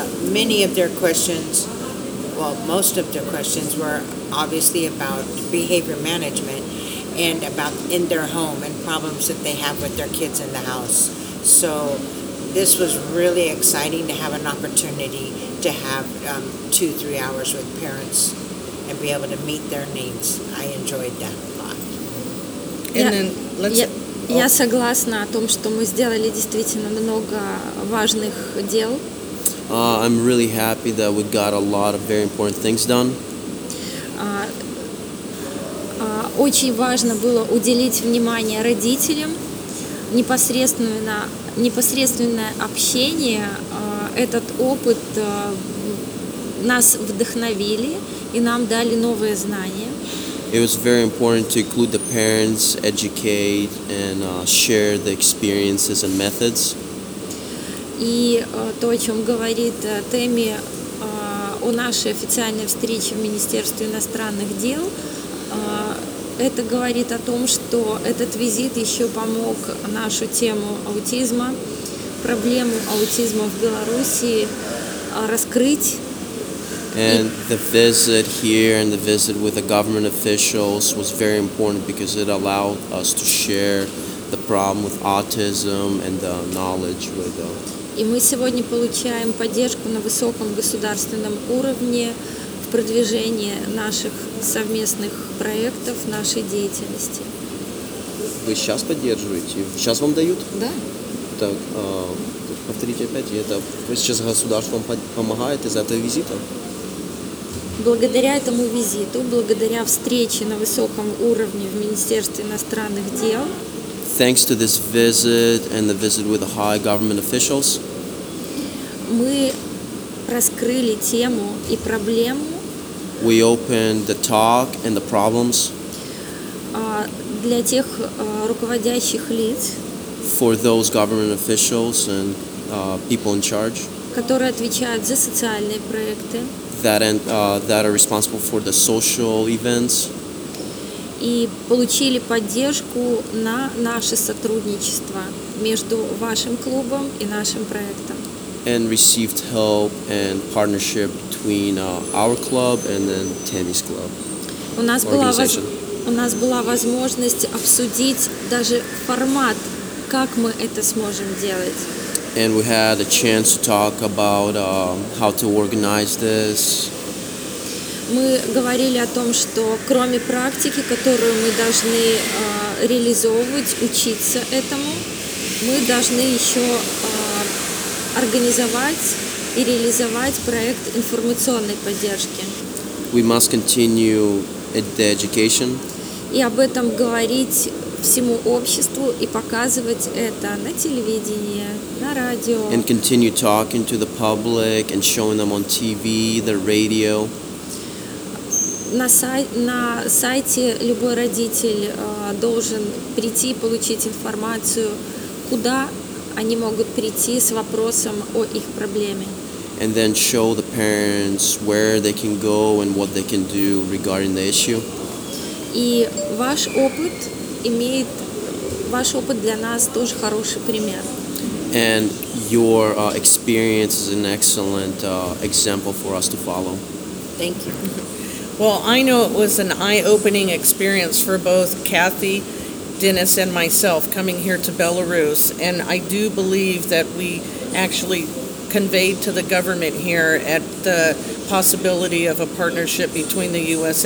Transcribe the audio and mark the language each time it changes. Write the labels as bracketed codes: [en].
[en] Many of their questions, well, most of their questions were obviously about behavior management and about in their home and problems that they have with their kids in the house. So this was really exciting to have an opportunity to have 2-3 hours with parents and be able to meet their needs. I enjoyed that a lot. [ru] Я согласна о том, что мы сделали действительно много важных дел. [en] I'm really happy that we got a lot of very important things done. [ru] Очень важно было уделить внимание родителям, непосредственное общение, этот опыт нас вдохновили и нам дали новые знания. [en] It was very important to include the parents, educate and share the experiences and methods. [ru] И то, о чем говорит Тэмми о нашей официальной встрече в Министерстве иностранных дел, это говорит о том, что этот визит еще помог нашу тему аутизма, проблему аутизма в Белоруссии раскрыть. [en] And the visit here and the visit with the government officials was very important because it allowed us to share the problem with autism and the knowledge with them. [ru] И мы сегодня получаем поддержку на высоком государственном уровне в продвижении наших совместных проектов, нашей деятельности. Вы сейчас поддерживаете? Сейчас вам дают? Да. Так, повторите опять. Это сейчас государство вам помогает из-за этого визита? Благодаря этому визиту, благодаря встрече на высоком уровне в Министерстве иностранных дел. [en] Thanks to this visit and the visit with the high government officials. [ru] Мы раскрыли тему и проблему. [en] We opened the talk and the problems. [ru] Для тех руководящих лиц. [en] For those government officials and people in charge. [ru] Которые отвечают за социальные проекты. [en] That are responsible for the social events. [ru] И получили поддержку на наше сотрудничество между вашим клубом и нашим проектом. [en] And received help and partnership between our club and then Tammy's club. [ru] У нас была возможность обсудить даже формат, как мы это сможем делать. [en] And we had a chance to talk about how to organize this. [ru] Мы говорили о том, что кроме практики, которую мы должны реализовывать, учиться этому, мы должны еще организовать и реализовать проект информационной поддержки. [en] We must continue the education. [ru] И об этом говорить всему обществу и показывать это на телевидении, на радио. [en] And continue talking to the public and showing them on TV, the radio. [ru] На сайте любой родитель должен прийти и получить информацию, куда они могут прийти с вопросом о их проблеме. [en] And then show the parents where they can go and what they can do regarding the issue. [ru] И ваш опыт имеет ваш опыт для нас тоже хороший пример. [en] And your experience is an excellent example for us to follow. Thank you. Well, I know it was an eye-opening experience for both Kathy, Dennis and myself coming here to Belarus, and I do believe that we actually conveyed to the government here at the possibility of a partnership between the U.S.